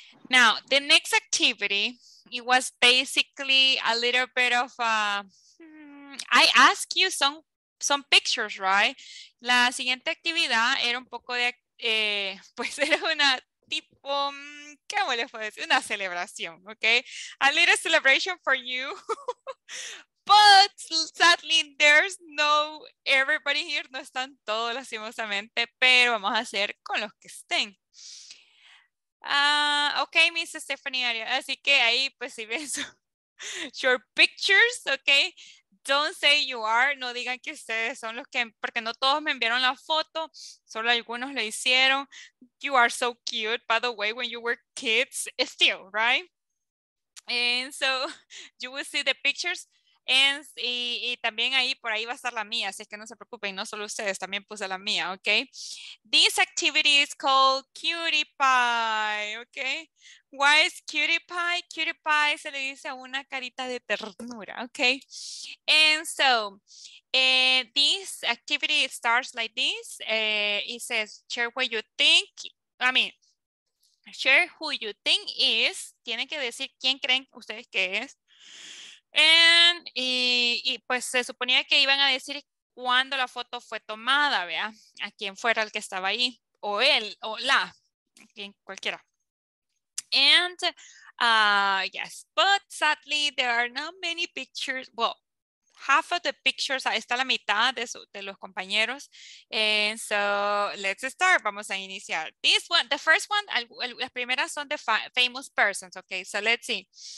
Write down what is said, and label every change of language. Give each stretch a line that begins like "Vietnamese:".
English: Now, the next activity, it was basically a little bit of I ask you some pictures, right?
Spanish: La siguiente actividad era un poco de pues era una tipo, ¿cómo le puedo decir? Una celebración, okay?
English: A little celebration for you. But sadly, there's no everybody here.
Spanish: No están todos, lastimosamente. Pero vamos a hacer con los que estén. Okay, Miss Stephanie Aria. Así que ahí, pues, si ven
English: your pictures,
Spanish: okay?
English: Don't say you are.
Spanish: No digan que ustedes son los que... Porque no todos me enviaron la foto. Solo algunos lo hicieron.
English: You are so cute, by the way, when you were kids. Still, right? And so, you will see the pictures.
Spanish: Y también ahí, por ahí va a estar la mía, así que no se preocupen, no solo ustedes, también puse la mía, ¿ok?
English: This activity is called cutie pie, ¿ok? Why is cutie pie?
Spanish: Cutie pie se le dice una carita de ternura, ¿ok?
English: And so, this activity starts like this. It says, share what you think, I mean, share who you think is.
Spanish: Tienen que decir quién creen ustedes que es. Y pues se suponía que iban a decir cuándo la foto fue tomada, vea, a quién fuera el que estaba ahí. o él o la, quien, cualquiera.
English: And yes, but sadly there are not many pictures. Well, half of the pictures,
Spanish: ahí está la mitad de, su, de los compañeros.
English: And so let's start.
Spanish: Vamos a iniciar.
English: This one, the first one,
Spanish: las primeras son
English: the famous persons. Okay, so let's see.